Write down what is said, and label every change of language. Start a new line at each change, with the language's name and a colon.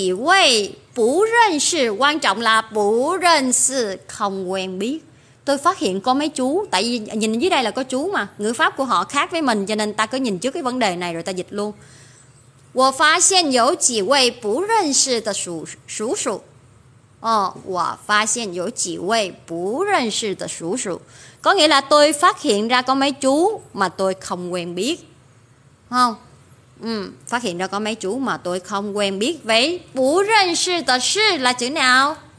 Chinese: 我发现有几位不认识,
Vietnamese: quan trọng là
Chinese: 不认识,
Vietnamese: không quen biết. Tôi phát hiện có mấy chú, tại vì nhìn dưới đây là có chú mà, ngữ pháp của họ khác với mình, cho nên ta cứ nhìn trước cái vấn đề này rồi ta dịch luôn.
Chinese: 我发现有几位不认识的叔叔.
Vietnamese: Có nghĩa là tôi phát hiện ra có mấy chú mà tôi không quen biết. Không? Phát hiện ra có mấy chú mà tôi không quen biết. Vậy 不认识的是 là chữ nào?